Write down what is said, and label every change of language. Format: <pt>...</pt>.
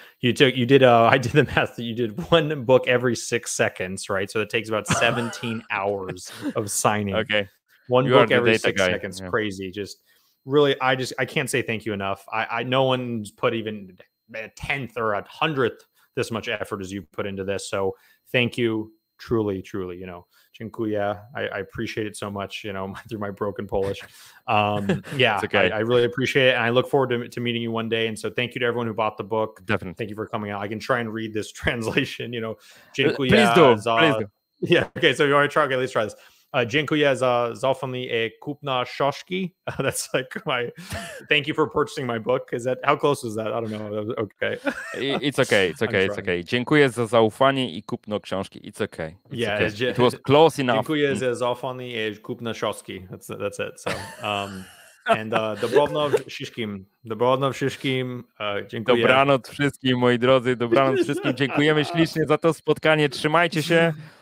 <en>I did the math that you did one book every 6 seconds, right? So it takes about 17 hours of signing. Okay. One you book every 6 seconds. Yeah. Crazy. Just really, I can't say thank you enough. I no one's put even a tenth or a hundredth this much effort as you put into this. So thank you. Truly, truly, you know, dziękuję. I appreciate it so much, you know, through my broken Polish. Yeah, it's okay. I really appreciate it. And I look forward to meeting you one day. And so thank you to everyone who bought the book. Definitely. Thank you for coming out. I can try and read this translation, you know. Dziękuję. Please do. Please do. Yeah. Okay. So you want to try? Okay. Let's try this.</en> <pl>Dziękuję za ofertę e kupna książki.</pl> <en>That's like my thank you for purchasing my book. Is that how close was that? I don't know. Okay. It's okay.</en> <pl>Dziękuję za zaufanie i kupno książki.</pl> <en>It's okay. It was close enough.</en> <pl>Dziękuję za zaufanie e kupna książki.</pl> <en>That's it. So and</en> <pl>dobranoc wszystkim. Dziękuję. Dobranoc wszystkim, moi drodzy. Dobranoc wszystkim. Dziękujemy ślicznie za to spotkanie. Trzymajcie się.</pl>